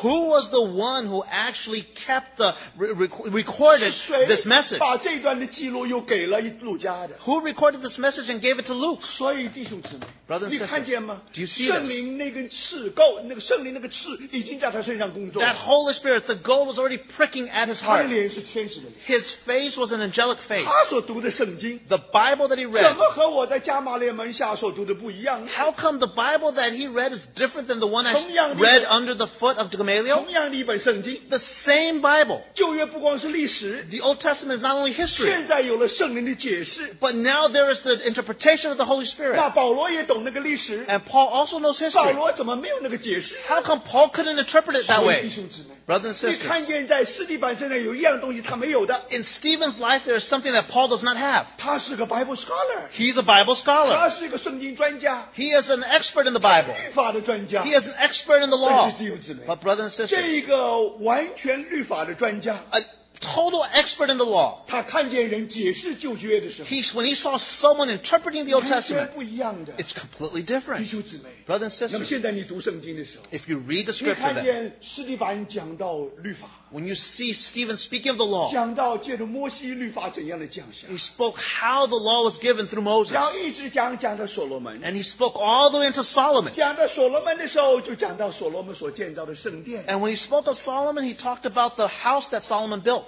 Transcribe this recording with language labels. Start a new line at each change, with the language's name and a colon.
English: Who was the one who actually kept the recorded this message?
Chinese: 把这段的记录又给了路加的
English: Who recorded this message and gave it to Luke?
Chinese: 所以弟兄姊妹
English: Brothers and sisters,
Chinese: 你看见吗
English: Do you see this?
Chinese: 圣灵那根刺够那个圣灵那个刺已经在他身上工作
English: That Holy Spirit, the goat was already pricking at his heart.
Chinese: 他的脸是天使的脸
English: His face was an angelic face.
Chinese: 他所读的圣经
English: The Bible that he read.
Chinese: 怎么和我在加玛列门下所读的不一样
English: How come the Bible that he read is different than the one I read under the foot of Gamaliel?
Chinese: 同样的一本圣经,
English: the same Bible.
Chinese: 旧约不光是历史,
English: the Old Testament is not only history.
Chinese: 现在有了圣灵的解释,
English: but now there is the interpretation of the Holy Spirit.
Chinese: 那保罗也懂那个历史,
English: and Paul also knows history.
Chinese: 保罗怎么没有那个解释?
English: How come Paul couldn't interpret it that way?
Chinese: 弟兄姊妹,
English: brothers and sisters,
Chinese: 你看见在斯蒂凡身上有一样东西他没有的。
English: In Stephen's life, there is something that Paul does not have.
Chinese: 他是个 Bible scholar.
English: He's a Bible scholar.
Chinese: 他是一个圣经专家。
English: He is an expert in the Bible.
Chinese: 律法的专家
English: He is an expert in the law.
Chinese: 但是弟兄姊妹
English: But brothers and sisters,
Chinese: 这一个完全律法的专家
English: A total expert in the law.
Chinese: 他看见人解释旧约的时候
English: when he saw someone interpreting the Old Testament,
Chinese: 完全不一样的
English: It's completely different.
Chinese: 弟兄姊妹
English: Brothers and sisters,
Chinese: 那么现在你读圣经的时候
English: If you read the scripture,
Chinese: 你看见斯蒂凡讲到律法
English: When you see Stephen speaking of the law,
Chinese: 讲到借着摩西律法怎样的降下
English: He spoke how the law was given through Moses.
Chinese: 然后一直讲到所罗门
English: And he spoke all the way into Solomon.
Chinese: 讲到所罗门的时候就讲到所罗门所建造的圣殿
English: And when he spoke of Solomon, he talked about the house that Solomon built.